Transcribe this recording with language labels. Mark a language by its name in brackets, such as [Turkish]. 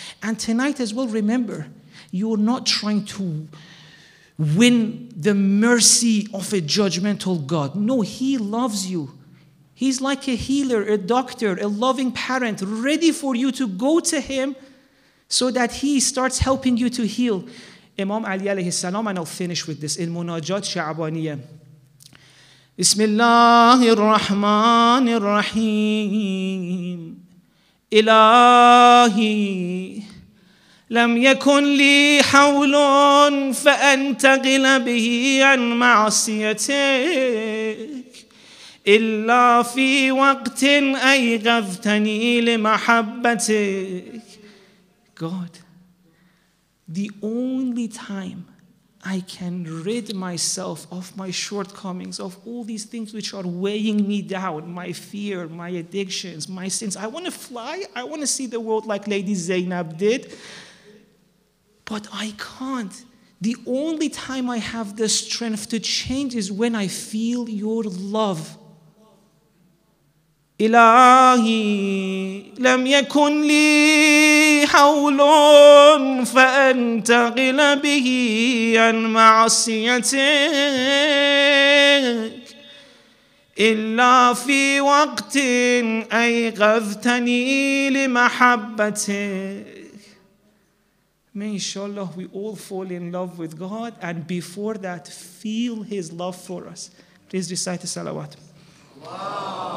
[English] And tonight as well, remember, you're not trying to win the mercy of a judgmental God. No, he loves you. He's like a healer, a doctor, a loving parent, ready for you to go to him so that he starts helping you to heal. Imam Ali alayhi salam, and I'll finish with this, in Munajat Sha'baniyah. [Arabic] بسم الله الرحمن الرحيم إلهي لم يكن لي حول فأنتقل به عن معصيتك إلا في وقت أيقظتني لمحبتك. [English] God, the only time I can rid myself of my shortcomings, of all these things which are weighing me down, my fear, my addictions, my sins. I want to fly. I want to see the world like Lady Zainab did. But I can't. The only time I have the strength to change is when I feel your love. [Arabic] إلهي لم يكن لي حول فأنتقل به عن معصيتك إلا في وقت أيقظتني لمحبتك. [English] May inshallah we all fall in love with God and before that feel his love for us. Please recite the salawat. Wow.